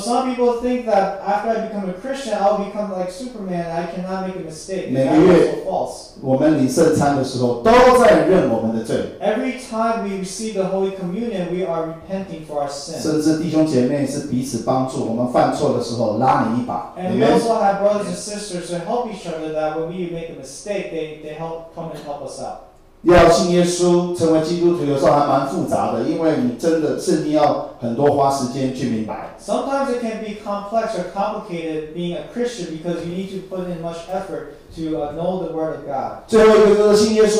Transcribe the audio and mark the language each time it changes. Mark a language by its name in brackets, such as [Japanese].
[English] some people think that after I become a Christian, I'll become like Superman. I cannot make a mistake. [Chinese] 每个月，我们领圣餐的时候，都在认我们的罪。Every [English] time we receive the Holy Communion, we are repenting for our sin. [Chinese] 甚至弟兄姐妹是彼此帮助，我们犯错的时候拉你一把。And [English] we also have brothers and sisters to help each other that when we make a mistake, they help come and help us out. [Chinese] 要信耶稣成为基督徒，有时候还蛮复杂的，因为你真的圣经要很多花时间去明白。Sometimes [English] it can be complex or complicated being a Christian because you need to put in much effort to know the word of God.